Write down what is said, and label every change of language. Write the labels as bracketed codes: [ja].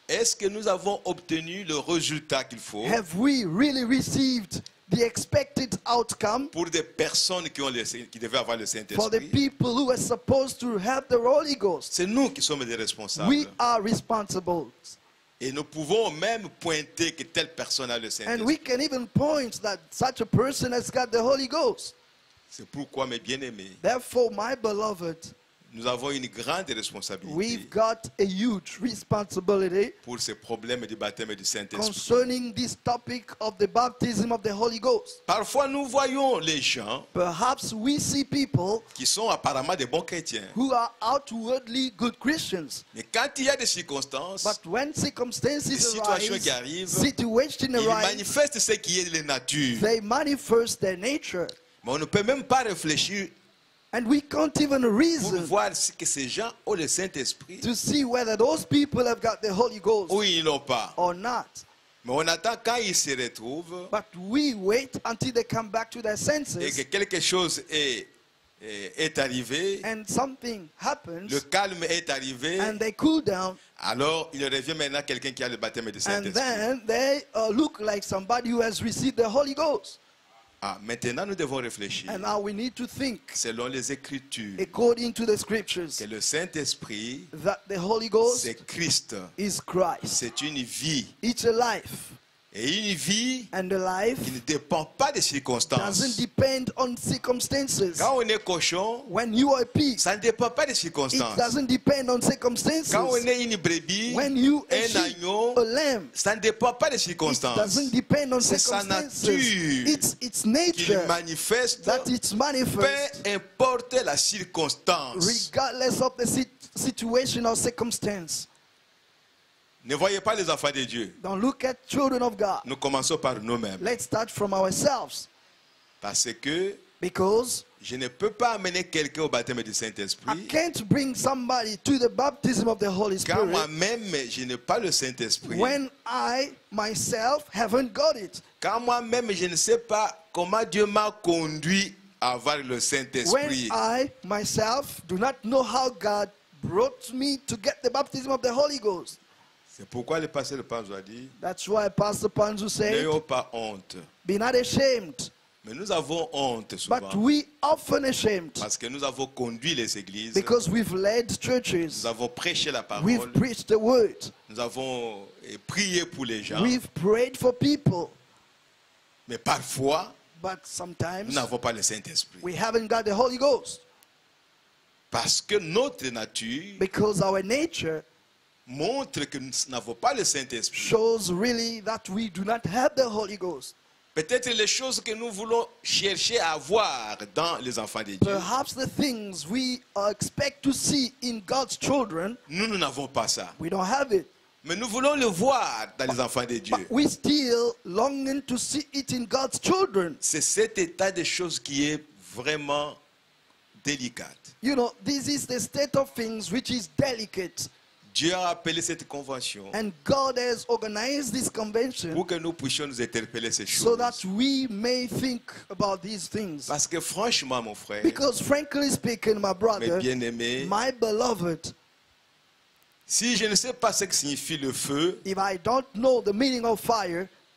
[fr] Est-ce que nous avons obtenu le résultat qu'il faut? [en] Have we really received the expected outcome? [fr] Pour des personnes qui ont le, qui devaient avoir le Saint-Esprit. [en] For the people who are supposed to have the Holy Ghost. [fr] C'est nous qui sommes les responsables. [en] We are responsible. [fr] Et nous pouvons même pointer que telle personne a le Saint-Esprit. [en] And we can even point that such a person has got the Holy Ghost. [fr] C'est pourquoi mes bien-aimés. [en] Therefore, my beloved. [fr] Nous avons une grande responsabilité. [en] We've got a huge responsibility [fr] pour ces problèmes du baptême du Saint-Esprit. [en] Concerning this topic of the baptism of the Holy Ghost. [fr] Parfois nous voyons les gens, [en] perhaps we see people [fr] qui sont apparemment des bons chrétiens, [en] who are outwardly good Christians. [fr] Mais quand il y a des circonstances, [en] but when circumstances [fr] des situations [en] arise, [fr] qui arrivent, [en] situation [fr] ils [en] arrive, [fr] manifestent ce qui est de nature. [en] They manifest their nature. [fr] Mais on ne peut même pas réfléchir. [en] And we can't even reason [fr] pour voir que ces gens ont le Saint-Esprit, [en] to see whether those people have got the Holy Ghost [fr] ou ils l'ont pas, [en] or not. [fr] Mais on attend quand ils se retrouvent, [en] but we wait until they come back to their senses, [fr] et que quelque chose est arrivé, [en] and something happens, [fr] le calme est arrivé, [en] and they cool down. [fr] Alors il revient maintenant quelqu'un qui a le baptême du Saint-Esprit, [en] and then they look like somebody who has received the Holy Ghost. [fr] Ah, maintenant nous devons réfléchir. [en] And now we need to think, [fr] selon les Écritures, [en] according to the scriptures, [fr] que le Saint-Esprit, [en] that the Holy Ghost, [fr] c'est Christ, [en] is Christ. [fr] C'est une vie. [en] It's a life. [fr] Et une vie, [en] and a life, [fr] qui ne dépend pas des circonstances. [en] Doesn't depend on circumstances. [fr] Quand on est cochon, [en] when you are a pig, [fr] ça ne dépend pas des circonstances. [en] It doesn't depend on circumstances. [fr] Quand on est une brebis, [en] when you [fr] un [en] sheep, [fr] agneau, [en] a lamb, [fr] ça ne dépend pas des circonstances. [en] It doesn't depend on [fr] c'est [en] circumstances. [fr] Sa nature, [en] it's nature, [fr] qui manifeste, [en] that it's manifest, [fr] peu importe la circonstance, [en] regardless of the situation or circumstance. [fr] Ne voyez pas les enfants de Dieu. [en] Don't look at children of God. [fr] Nous commençons par nous-mêmes. [en] Let's start from ourselves. [fr] Parce que [en] because [fr] je ne peux pas amener quelqu'un au baptême du Saint-Esprit. [en] I can't bring somebody to the baptism of the Holy Spirit. [fr] Car moi-même, je n'ai pas le Saint-Esprit. [en] When I myself haven't got it. [fr] Car moi-même, je ne sais pas comment Dieu m'a conduit à avoir le Saint-Esprit. [en] When I myself do not know how God brought me to get the baptism of the Holy Ghost. [fr] C'est pourquoi le pasteur Panzo a dit, [en] that's why Pastor Panzo said, [fr] n'ayons pas honte. [en] Be not ashamed. [fr] Mais nous avons honte souvent. [en] But we often ashamed. [fr] Parce que nous avons conduit les églises. [en] Because we've led churches. [fr] Nous avons prêché la parole. [en] We've preached the word. [fr] Nous avons prié pour les gens. [en] We've prayed for people. [fr] Mais parfois, [en] but sometimes, [fr] nous n'avons pas le Saint-Esprit. [en] We haven't got the Holy Ghost. [fr] Parce que notre nature, [en] because our nature, [fr] montre que nous n'avons pas le Saint-Esprit. [en] Shows really that we do not have the Holy Ghost. [fr] Peut-être les choses que nous voulons chercher à voir dans les enfants de Dieu. [en] Perhaps the things we expect to see in God's children. [fr] Nous n'avons pas ça. [en] We don't have it. [fr] Mais nous voulons le voir dans les enfants de Dieu. [en] But we still longing to see it in God's children. [fr] C'est cet état de choses qui est vraiment délicate. [en] You know, this is the state of things which is delicate. [fr] Dieu a appelé cette convention. [en] And God has organized this convention. [fr] Pour que nous puissions nous interpeller ces choses. [en] So that we may think about these things. [fr] Parce que franchement, mon frère. [en] Because frankly speaking, my brother. [fr] Mes bien-aimés. [en] My beloved. [fr] Si je ne sais pas ce que signifie le feu. [en] If I don't know the meaning of fire.